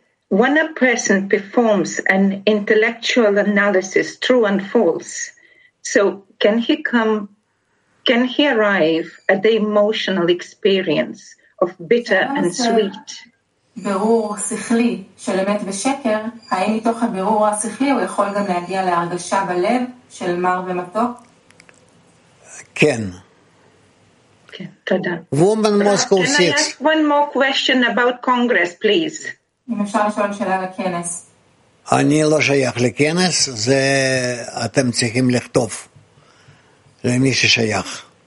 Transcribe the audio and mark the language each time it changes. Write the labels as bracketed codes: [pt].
[en] When a person performs an intellectual analysis, true and false, so can he arrive at the emotional experience of bitter and sweet? [he] ברור שכלי של אמת ושקר, האם מתוך הבירור השכלי הוא יכול גם להגיע להרגשה בלב של מר ומתוק? כן. תודה. [en] Woman Moscow 6. Can I ask one more question about Congress, please? [he] אם אפשר לשאול שאלה לכנס. אני לא שייך לכנס, זה אתם צריכים לכתוב למי ששייך.